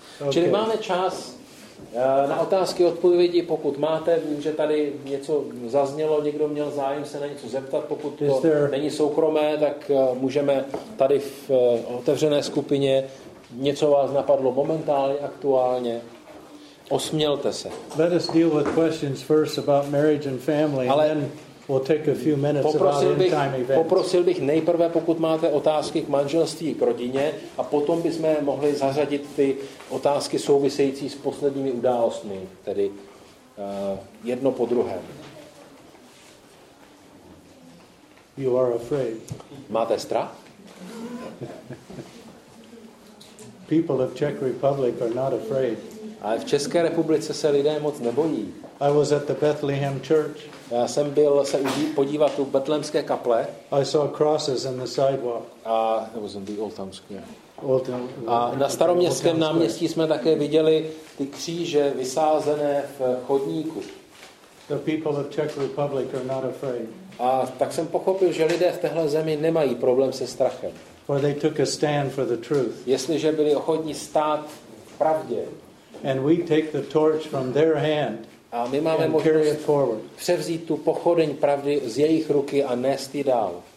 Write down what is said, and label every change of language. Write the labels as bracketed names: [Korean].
[Czech] Čili máme čas na otázky odpovědi, pokud máte. Vím, že tady něco zaznělo, někdo měl zájem se na něco zeptat, pokud to není soukromé, tak můžeme tady v otevřené skupině, něco vás napadlo momentálně, aktuálně. Osmělte se. [English] Let us deal with questions first about marriage and family, and then we'll take a few minutes about end time events. [Czech] Poprosil bych nejprve, pokud máte otázky k manželství, k rodině, a potom bychom mohli zařadit ty otázky související s posledními událostmi, tedy jedno po druhém. [English] You are afraid. [Czech] Máte strach? [English] People of Czech Republic are not afraid. [Czech] A v České republice se lidé moc nebojí. [English] I was at the Bethlehem church. [Czech] Já jsem byl se podívat u Betlémské kaple. [English] I saw crosses on the sidewalk. A it was in the Old Town Square. [Czech] A na staroměstském náměstí jsme také viděli ty kříže vysázené v chodníku. [English] The people of Czech Republic are not afraid. [Czech] A tak jsem pochopil, že lidé v téhle zemi nemají problém se strachem. [English] For they took a stand for the truth. [Czech] Jestliže byli ochotní stát v pravdě. [English] And we take the torch from their hand and carry it forward. [Czech] Převzít tu pochodeň pravdy z jejich ruky a nést ji dál.